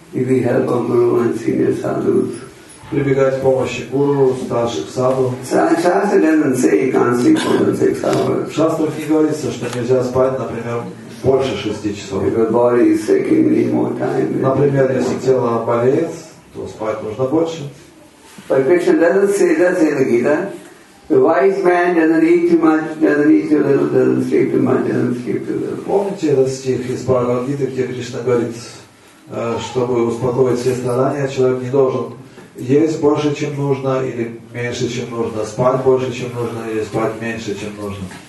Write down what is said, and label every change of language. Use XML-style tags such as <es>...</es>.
<en>If we help our guru and senior sadhus.</en> <ru>Прибегать к помощи гуру, старших саду.</ru> <en>Shastra doesn't say you can't sleep more than 6 hours.</en> <ru>Shastra не говорится, что нельзя спать, например, больше 6 часов.</ru> <en>If your body is sick, you need more time.</en> <ru>Например, если тело болеет, то спать нужно больше.</ru> <en>But Krishna doesn't say the Gita. The wise man doesn't eat too much, doesn't eat too little, doesn't sleep too much, doesn't sleep too little.</en> <ru>Помните этот стих из Бхагавад Гиты, где Кришна говорит, чтобы успокоить все страдания, человек не должен есть больше, чем нужно, или меньше, чем нужно, спать больше, чем нужно, или спать меньше, чем нужно.</ru>